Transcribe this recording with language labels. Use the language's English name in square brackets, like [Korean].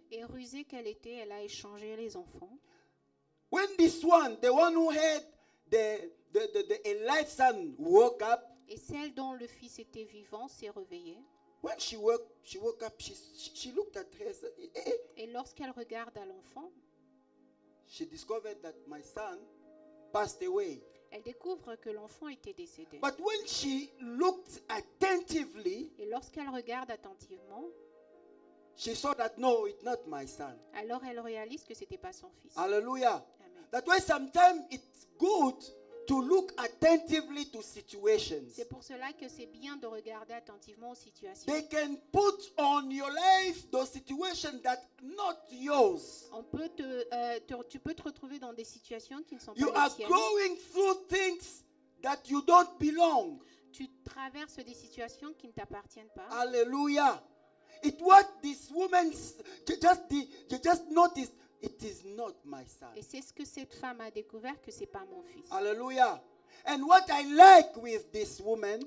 [French] Et rusée qu'elle était, elle a échangé les enfants. [English] When this one, the one who had the life son, woke up. [French] Et celle dont le fils était vivant s'est réveillée. [English] When she woke up, she looked at her son. [French] Et lorsqu'elle regarde à l'enfant, [English] she discovered that my son passed away. [French] Elle découvre que l'enfant était décédé. [English] But when she looked attentively, [French] et lorsqu'elle regarde attentivement, [English] She saw that no, it's not my son. [French] Alors elle réalise que c'était pas son fils. [English] Hallelujah. That way sometimes it's good to look attentively to situations. [French] C'est pour cela que c'est bien de regarder attentivement aux situations. [English] They can put on your life those situations that not yours. [French] On peut te, tu peux te retrouver dans des situations qui ne sont pas les tiennes. [English] You are going through things that you don't belong. [French] Tu traverses des situations qui ne t'appartiennent pas. [English] Alléluia. It what this woman just noticed. It is not my son. [French] Et c'est ce que cette femme a découvert que c'est pas mon fils. [English] Alléluia. And what I like with this woman?